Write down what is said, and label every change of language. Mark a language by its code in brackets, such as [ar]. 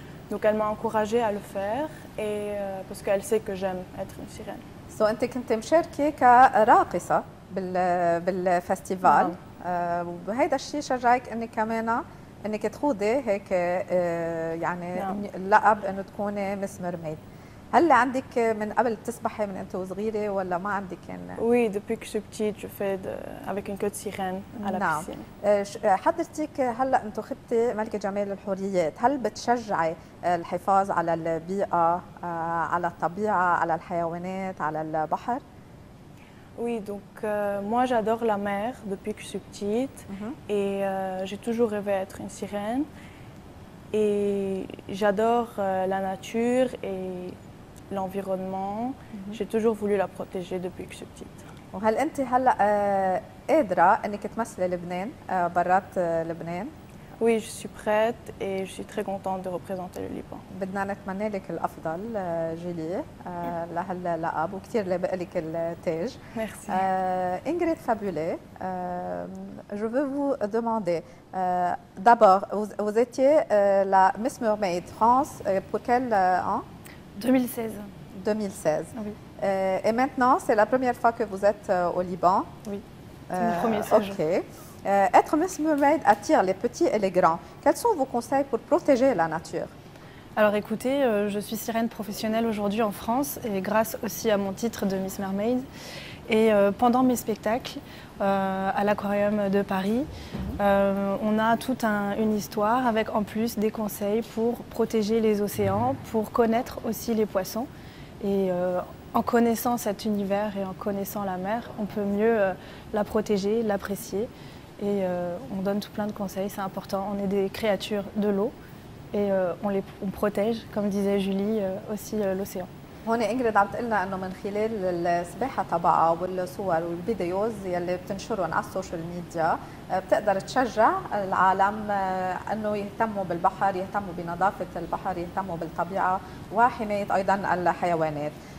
[fr] Donc elle m'a encouragée à le faire et parce qu'elle sait que j'aime être une sirène. [ar] So أنت كنت مشاركة كراقصة بالفستيفال وهذا الشيء شجعك انك كمان انك تخوضي هيك يعني اللقب انه تكوني مس ميرميد. هل عندك من قبل تسبحي من انت وصغيره ولا ما عندك؟ [fr] وي ديبي كو بتيت جو في افيك ان كوت سيرين على [ar] نعم. حضرتك هلا انتو خدتي ملكه جمال الحريات، هل بتشجعي الحفاظ على البيئه على الطبيعه على الحيوانات على البحر؟ [fr] Oui, donc moi j'adore la mer depuis que je suis petite et j'ai toujours rêvé d'être une sirène et j'adore la nature et l'environnement. J'ai toujours voulu la protéger depuis que je suis petite. [ar] وهل انت هلا قادره انك تمثلي لبنان برات لبنان؟ [fr] Oui, je suis prête et je suis très contente de représenter le Liban. [ar] بدنا نتمنى لك الافضل جيلي لهاللقب وكثير لبق لك التاج. [fr] Merci. انجريد فابولي je veux vous demander d'abord vous étiez la Miss Mermaid France pour quel an? 2016. 2016. Oui. Et maintenant, c'est la première fois que vous êtes au Liban. Oui. Mon premier séjour. OK. Être Miss Mermaid attire les petits et les grands. Quels sont vos conseils pour protéger la nature? Alors écoutez, je suis sirène professionnelle aujourd'hui en France et grâce aussi à mon titre de Miss Mermaid. Et pendant mes spectacles à l'Aquarium de Paris, on a toute une histoire avec en plus des conseils pour protéger les océans, pour connaître aussi les poissons. Et en connaissant cet univers et en connaissant la mer, on peut mieux la protéger, l'apprécier. Et on donne tout plein de conseils, c'est important. On est des créatures de l'eau et on protège, comme disait Julie, aussi l'océan. [ar] هون انجريد عم تقلنا انه من خلال السباحه تبعها والصور والفيديوز يلي بتنشرهم على السوشيال ميديا بتقدر تشجع العالم انه يهتموا بالبحر، يهتموا بنظافه البحر، يهتموا بالطبيعه وحمايه ايضا الحيوانات.